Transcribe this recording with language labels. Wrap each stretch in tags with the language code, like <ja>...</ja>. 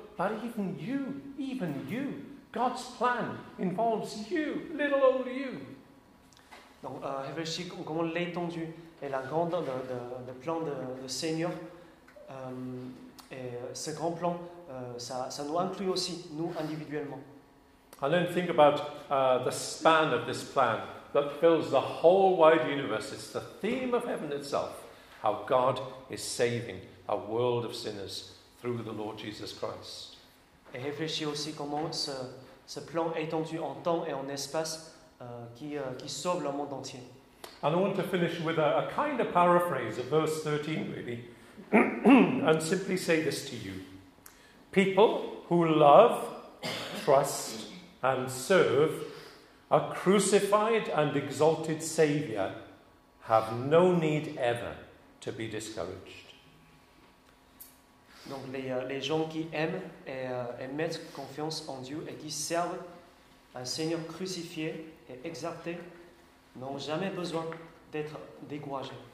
<en>But even you, God's plan involves you, little old you.</en> <fr>Donc, réfléchis comment l'étendue et la grandeur de plan de Seigneur. Et ce grand plan, ça nous inclut aussi, nous individuellement.</fr> <en>And then think about the span of this plan that fills the whole wide universe. It's the theme of heaven itself, how God is saving a world of sinners through the Lord Jesus Christ.</en> <fr>Et réfléchis aussi comment ce plan étendu en temps et en espace qui sauve le monde entier.</fr> <en>And I want to finish with a kind of paraphrase of verse 13, really. And simply say this to you. People who love, trust, and serve a crucified and exalted Savior have no need ever to be discouraged.</en> <fr>Donc les gens qui aiment et mettent confiance en Dieu et qui servent un Seigneur crucifié et exalté n'ont jamais besoin d'être découragés.</fr>